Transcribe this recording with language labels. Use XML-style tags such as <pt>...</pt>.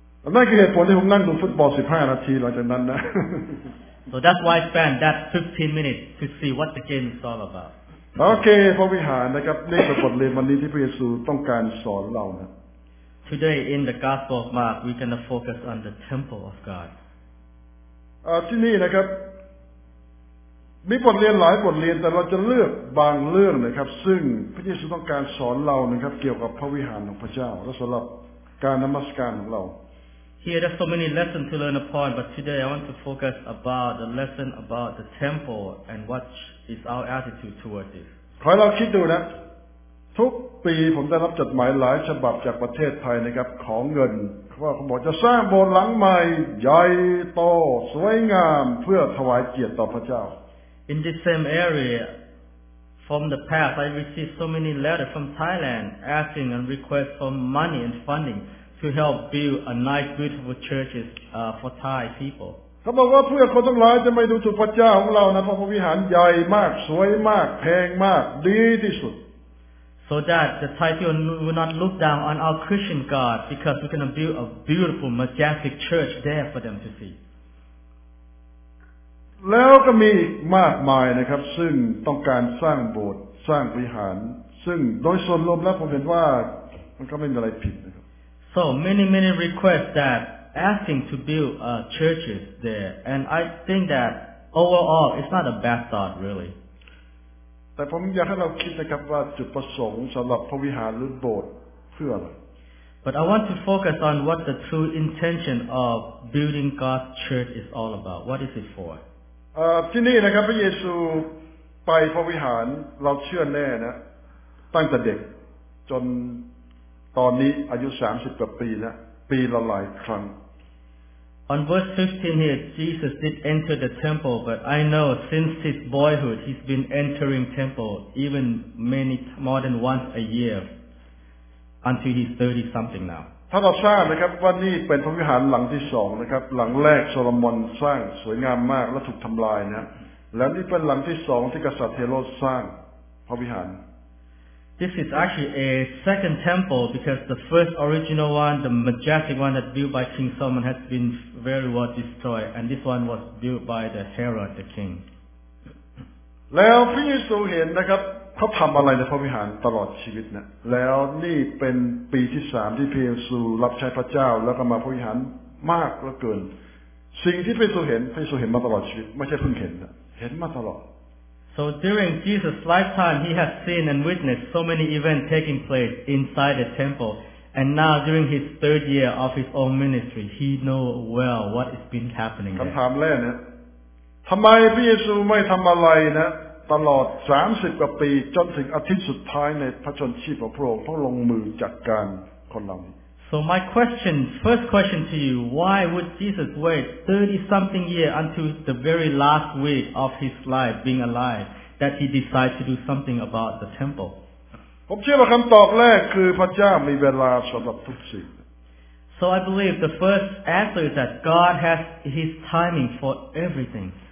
<th>นั่นคือเหตุผลที่ผมนั่งดูฟุตบอล15นาทีหลังจากนั้นนะ</th> <en>So that's why I spent that 15 minutes to see what the game is all about.</en> <th>Okay, พระวิหารนะครับนี่คือบทเรียนวันนี้ที่พระเยซูต้องการสอนเรานะ</th> <en>Today in the Gospel of Mark, we're going to focus on the temple of God.</en> <th>ที่นี่นะครับมีบทเรียนหลายบทเรียนแต่เราจะเลือกบางเรื่องนะครับซึ่งพระเยซูต้องการสอนเรานะครับเกี่ยวกับพระวิหารของพระเจ้าและสำหรับการนมัสการของเรา</th> <en>Here there's so many lessons to learn upon, but today I want to focus about the lesson about the temple and what is our attitude towards it.</en> <th>ขอให้เราคิดดูนะทุกปีผมได้รับจดหมายหลายฉบับจากประเทศไทยนะครับขอเงินเพราะเขาบอกจะสร้างโบสถ์หลังใหม่ใหญ่โตสวยงามเพื่อถวายเกียรติต่อพระเจ้า</th> <en>In the same area, from the past, I received so many letters from Thailand asking and request for money and funding to help build a nice, beautiful churches for Thai people.</en> <th>เขาบอกว่าเพื่อคนทั้งหลายจะไม่ดูถูกพระเจ้าของเรานะเพราะพระวิหารใหญ่มากสวยมากแพงมากดีที่สุด</th> <en>So that the Thai people will not look down on our Christian God because we're going to build a beautiful, majestic church there for them to see.</en> <th>แล้วก็มีอีกมากมายนะครับซึ่งต้องการสร้างโบสถ์สร้างวิหารซึ่งโดยส่วนรวมแล้วผมเห็นว่ามันก็ไม่มีอะไรผิดนะครับ</th> <en>So many requests that asking to build churches there and I think that overall it's not a bad thought really</en> <th>แต่ผมอยากให้เราคิดนะครับว่าจุดประสงค์สำหรับพระวิหารหรือโบสถ์เพื่ออะไร</th> <en>But I want to focus on what the true intention of building God's church is all about What is it for</en> <th>ที่นี่นะครับพระเยซูไปพระวิหารเราเชื่อแน่นะตั้งแต่เด็กจนตอนนี้อายุ30กว่าปีแล้วปีละหลายครั้ง</th> <en>On verse 15 here Jesus did enter the temple but I know since his boyhood he's been entering temple even many more than once a year until he's 30 something now</en> <th>ถ้าเราทราบนะครับว่านี่เป็นพระวิหารหลังที่สองนะครับหลังแรกโซโลมอนสร้างสวยงามมากและถูกทำลายนะแล้วนี่เป็นหลังที่สองที่กษัตริย์เฮโรดสร้างพระวิหาร</th> <en>This is actually a second temple because the first original one, the majestic one that built by King Solomon, has been very well destroyed, and this one was built by the Herod, the king.</en> <th>แล้วพระเยซูเห็นนะครับเขาทำอะไรในพระวิหารตลอดชีวิตนะแล้วนี่เป็นปีที่สามที่พระเยซูรับใช้พระเจ้าแล้วก็มาพระวิหารมากเหลือเกินสิ่งที่พระเยซูเห็นพระเยซูเห็นมาตลอดชีวิตไม่ใช่เพิ่งเห็นนะเห็นมาตลอด</th> <en>So during Jesus' lifetime he has seen and witnessed so many events taking place inside the temple and now during his third year of his own ministry he know well what is been happening</en> <th>คำถามแรกนะทำไมพระเยซูไม่ทำอะไรนะตลอด30กว่าปีจนถึงอาทิตย์สุดท้ายในพระชนชีพของพระองค์ต้องลงมือจัดการคนเหล่านี้</th> <en>So my question first question to you why would Jesus wait 30 something year until the very last week of his life being alive that he decided to do something about the temple</en> <th>ผมเชื่อว่าคำตอบแรกคือพระเจ้ามีเวลาสำหรับทุกสิ่ง</th> <en>So I believe the first answer is that God has his timing for everything</en>